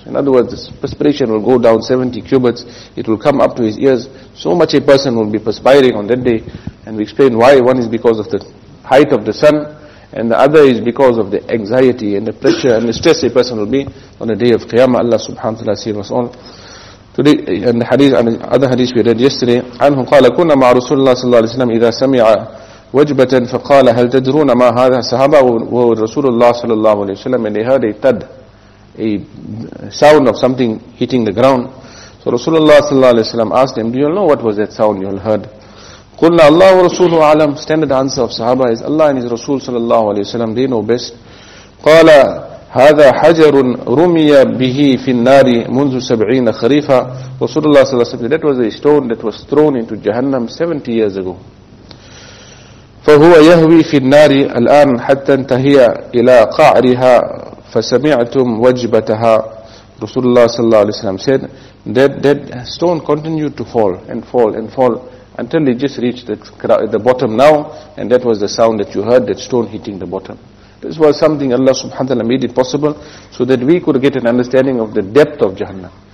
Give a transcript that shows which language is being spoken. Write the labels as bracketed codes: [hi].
[en] In other words, this perspiration will go down 70 cubits, it will come up to his ears. So much a person will be perspiring on that day. And we explain why. One is because of the height of the sun, and the other is because of the anxiety and the pressure and the stress a person will be on the Day of Qiyamah. Allah subhanahu wa ta'ala save us all. Today, and the hadith, and the other hadith we read yesterday, [ar] عنه قال كنا مع رسول الله صلى الله عليه وسلم إذا سمع وجبة فقال هل تدرون ما هذا صحابة ورسول الله صلى الله عليه وسلم. [en] And they heard a thud, a sound of something hitting the ground. So Rasulullah صلى الله عليه وسلم asked them, do you know what was that sound you all heard? [ar] قلنا الله ورسوله أعلم. [en] Standard answer of Sahaba is Allah and His Rasul صلى الله عليه وسلم, they know best. [ar] قال هذا حجر رمي به في النار منذ 70 خريفا. [en] Rasulullah صلى الله عليه وسلم, that was a stone that was thrown into Jahannam 70 years ago. [ar] فهو يهوي في النار الآن حتى انتهي إلى قعرها فسمعتم وجبتها. [en] Rasulullah صلى الله عليه وسلم said that stone continued to fall and fall and fall until it just reached the bottom now, and that was the sound that you heard, that stone hitting the bottom. This was something Allah subhanahu wa ta'ala made it possible so that we could get an understanding of the depth of Jahannam.